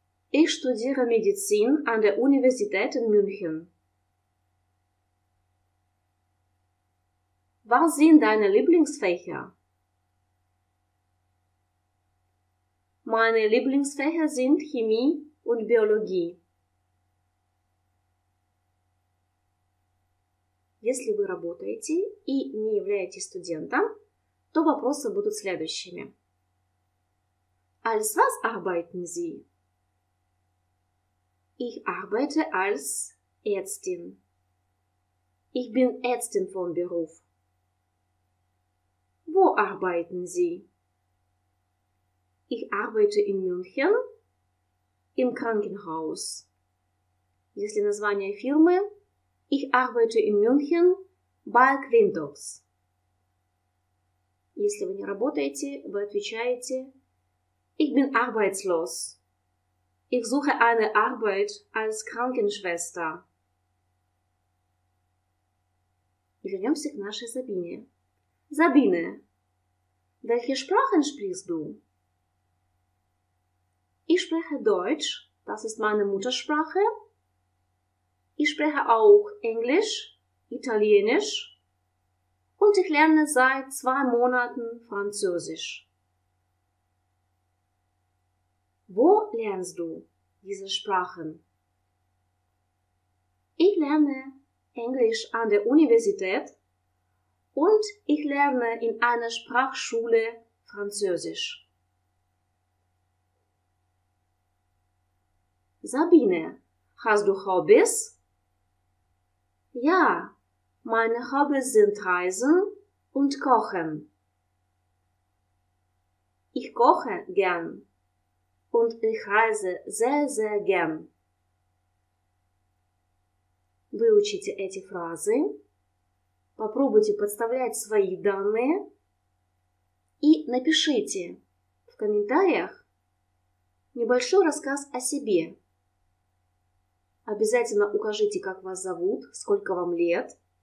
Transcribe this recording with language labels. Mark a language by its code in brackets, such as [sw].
[de] Ich studiere Medizin an der Universität in München. Was sind deine Lieblingsfächer? Meine Lieblingsfächer sind Chemie und Biologie. [ru] Если вы работаете и не являетесь студентом, то вопросы будут следующими. [de] Als was arbeiten Sie? Ich arbeite als Ärztin. Ich bin Ärztin von Beruf. Wo arbeiten Sie? Ich arbeite in München, im Krankenhaus. [ru] Если название фирмы, [de] ich arbeite in München, bei Quintox. [ru] Если вы не работаете, вы отвечаете, [de] ich bin arbeitslos. Ich suche eine Arbeit als Krankenschwester. [ru] Вернемся к нашей Sabine. [de] Sabine, welche Sprachen sprichst du? Ich spreche Deutsch, das ist meine Muttersprache. Ich spreche auch Englisch, Italienisch und ich lerne seit 2 Monaten Französisch. Wo lernst du diese Sprachen? Ich lerne Englisch an der Universität und ich lerne in einer Sprachschule Französisch. Sabine, hast du Hobbys? Ja, meine Hobbys sind Reisen und Kochen. Ich koche gern und ich reise sehr, sehr gern. [ru] Выучите эти фразы, попробуйте подставлять свои данные и напишите в комментариях небольшой рассказ о себе. Обязательно укажите, как вас зовут, сколько вам лет.